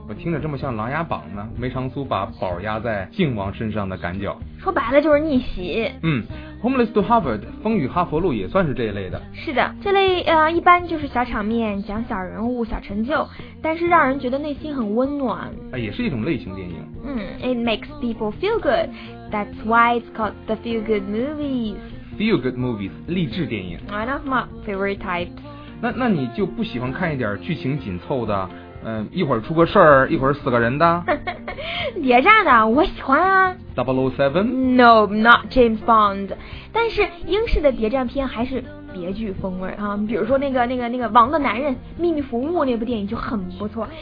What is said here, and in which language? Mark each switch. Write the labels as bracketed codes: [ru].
[zh] 我听着这么像琅琊榜呢，梅长苏把宝压在靖王身上的赶脚。说白了就是逆袭。 Homeless to Harvard 风雨哈佛路也算是这一类的。是的，这类一般就是小场面，讲小人物小成就，但是让人觉得内心很温暖，也是一种类型电影。 [en] It makes people feel good. That's why it's called the feel good movies Feel good movies, 励志电影。 One of my favorite types. [zh] 那你就不喜欢看一点剧情紧凑的，一会儿出个事儿，一会儿死个人的？谍战的，我喜欢啊。 [en] 007? No, not James Bond. [zh] 但是英式的谍战片还是别具风味啊，比如说那个《王的男人》《秘密服务》那部电影就很不错。